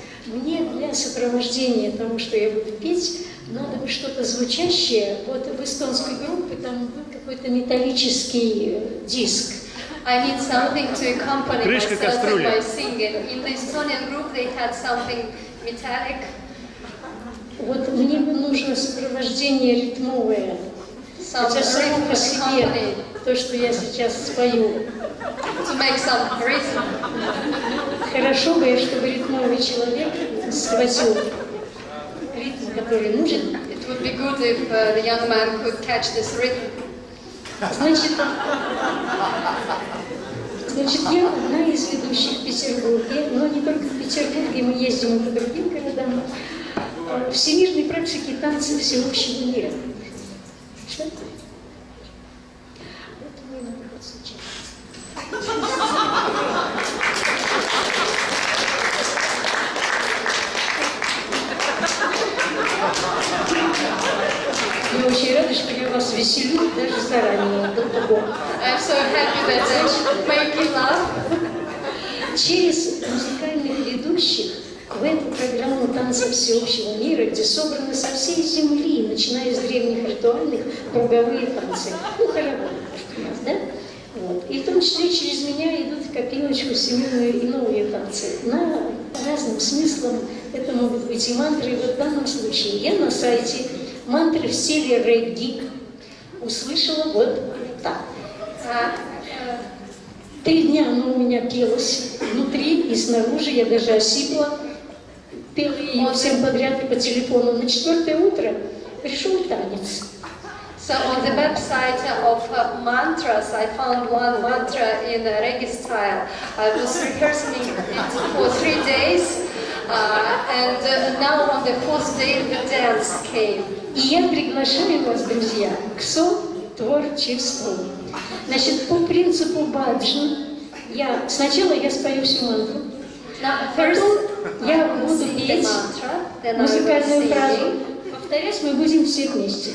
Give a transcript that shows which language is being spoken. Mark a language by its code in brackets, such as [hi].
[ru] Мне для сопровождения тому, что я буду петь, надо бы что-то звучащее. Вот в эстонской группе там какой-то металлический диск. [en] I need something to accompany [ru] крышка [en] myself [ru] кастрюли. [en] By singing. In the Estonian group they had something metallic. [ru] Вот мне нужно сопровождение ритмовое. Хотя само по себе то, что я сейчас спою. [en] To make some rhythm. [ru] Хорошо бы, чтобы ритмовый человек схватил ритм, который нужен. [en] It would be good if the young man could catch this rhythm. [ru] Значит, я одна из ведущих в Петербурге, но не только в Петербурге, мы ездим по другим городам. Всемирной практики танца всеобщего мира. Что? Это мой наоборот случай. Я очень рада, что я вас веселю даже заранее, до того. I'm so happy that I should make you laugh. Через музыкальных ведущих в эту программу танца всеобщего мира, где собраны со всей земли, начиная с древних ритуальных, круговые танцы. Ну, хороводы, да? Вот. И в том числе через меня идут в копилочку всемирные и новые танцы. На разным смыслом это могут быть и мантры. И вот в данном случае я на сайте мантры в стиле регги услышала вот так. Три дня оно у меня пелось внутри и снаружи, я даже осипла. Пел ее всем подряд и по телефону. На четвертое утро пришел танец. [en] So on the website of mantras, I found one mantra in a reggae style. I was rehearsing it for three days, and now on the fourth day the dance came. [ru] И я приглашаю вас, друзья, к со-творчеству. Значит, по принципу баджан, сначала я спою всю мантру. [en] Now, first, [ru] я буду петь мантру, повторять, мы будем все вместе.